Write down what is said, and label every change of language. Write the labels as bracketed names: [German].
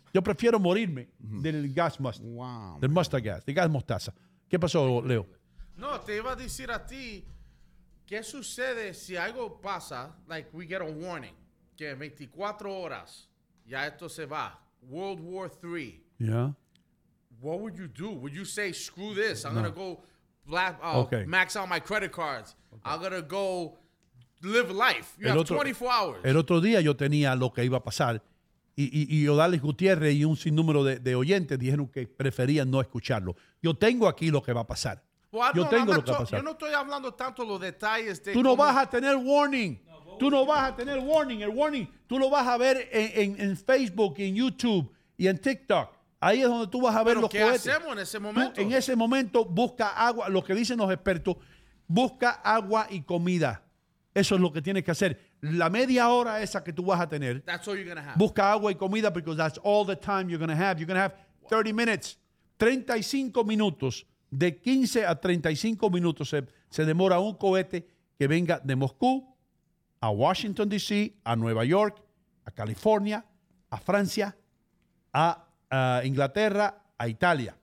[Spanish] Yo prefiero morirme del gas mustard. Wow, del mustard gas, del gas mostaza. ¿Qué pasó, Leo? No, te iba a decir a ti, ¿qué sucede si algo pasa, [English] like we get a warning, [Spanish] que 24 horas ya esto se va, World War III? [English] Yeah. What would you do? Would you say, screw this, I'm going to go max out my credit cards. Okay. I'm going to go live life. You have 24 hours. [Spanish] El otro día yo tenía lo que iba a pasar y Odalis Gutiérrez y un sinnúmero de oyentes dijeron que preferían no escucharlo. Yo tengo aquí lo que va a pasar. [English] Well, [Spanish] yo tengo [English] I'm [Spanish] lo que va a pasar. Yo no estoy hablando tanto los detalles. Tú no vas a tener warning. Tú no vas a tener warning. El warning, tú lo vas a ver en Facebook, en YouTube y en TikTok. Ahí es donde tú vas a ver los cohetes. ¿Pero qué hacemos en ese momento? Tú, en ese momento, busca agua. Lo que dicen los expertos, busca agua y comida. Eso es lo que tienes que hacer. La media hora esa que tú vas a tener, [English] that's all you're gonna have. [Spanish] Busca agua y comida, [English] because that's all the time you're going to have. You're going to have 30 minutes. [Spanish] 35 minutos. De 15 a 35 minutos se demora un cohete que venga de Moscú a Washington, D.C., a Nueva York, a California, a Francia, a Inglaterra, a Italia.